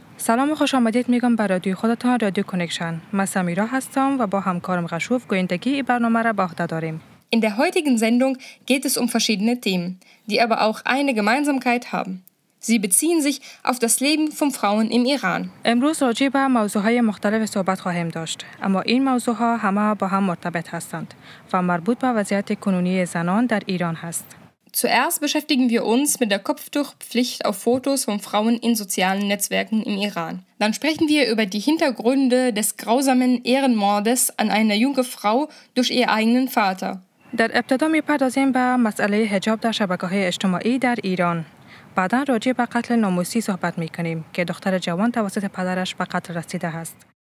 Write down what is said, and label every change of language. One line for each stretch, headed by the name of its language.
Persian: سلام و خوش آمدید میگم به رادیو خودتان رادیو کنکشن. من سمیرا هستم و با همکارم رشوف گویندگی این برنامه را به عهده داریم.
German: In der heutigen Sendung geht es um verschiedene Themen, die aber auch eine Gemeinsamkeit haben. Sie beziehen sich auf das Leben von Frauen im Iran.
Persian: امروز راجع به موضوعهای مختلف صحبت خواهیم داشت. اما این موضوعها همه با هم مرتبط هستند و مربوط به وضعیت کنونی زنان در ایران هست.
German: Zuerst beschäftigen wir uns mit der Kopftuchpflicht auf Fotos von Frauen in sozialen Netzwerken im Iran. Dann sprechen wir über die Hintergründe des grausamen Ehrenmordes an einer jungen Frau durch ihren eigenen Vater.
Persian: در ابتدا می‌پردازیم به مسئله حجاب در شبکه‌های اجتماعی در ایران. بعداً راجع به قتل ناموسی صحبت می‌کنیم که دختر جوان توسط پدرش به قتل رسیده است.